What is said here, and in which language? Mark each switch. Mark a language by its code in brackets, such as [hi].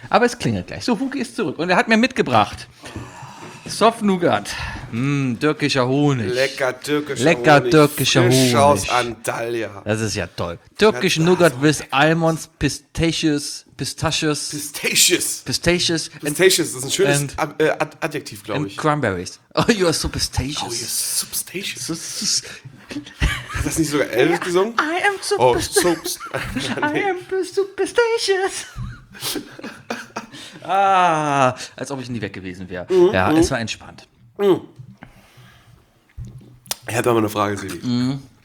[de] Aber es klingelt gleich. So, Wookie ist zurück und er hat mir mitgebracht. Soft Nougat, türkischer Honig. Lecker türkischer Honig. Frisch aus Antalya. Das ist ja toll. Türkisch Nougat [en] with Almonds, Pistachios. [de] Das ist ein schönes Adjektiv, glaube ich. [en] And Cranberries. Oh, you are so pistachios. Oh, you are so pistachios. [de] Hat das nicht sogar Elvis gesungen? [en] I am so pistachios. I am so pistachios. [de] Ah, als ob ich nie weg gewesen wäre. Mhm. Ja, es war entspannt. Mhm. Ich hätte aber eine Frage, Sebi. Mhm.